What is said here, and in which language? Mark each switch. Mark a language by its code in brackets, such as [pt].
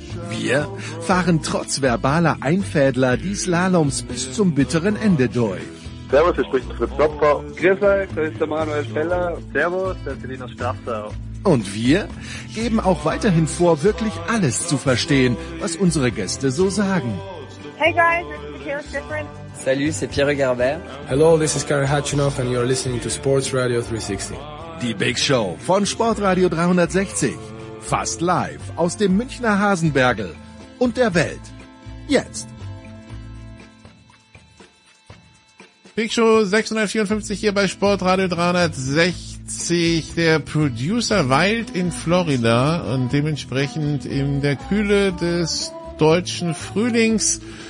[de] Wir fahren trotz verbaler Einfädler die Slaloms bis zum bitteren Ende durch. Servus, hier spricht Fritz Klopfer. Grüß euch, das ist der Manuel Feller. Servus, das ist Linus Strafsau. Und wir geben auch weiterhin vor, wirklich alles zu verstehen, was unsere Gäste so sagen. [en] Hey guys, it's Michael Schifrin. [fr] Salut, c'est Pierre Garbert. [en] Hello, this is Karin Hatchinoff and you're listening to Sports Radio 360. [de] Die Big Show von Sportradio 360. Fast live aus dem Münchner Hasenbergl und der Welt. Jetzt. Big Show 654 hier bei Sportradio 360. Der Producer weilt in Florida und dementsprechend in der Kühle des deutschen Frühlings.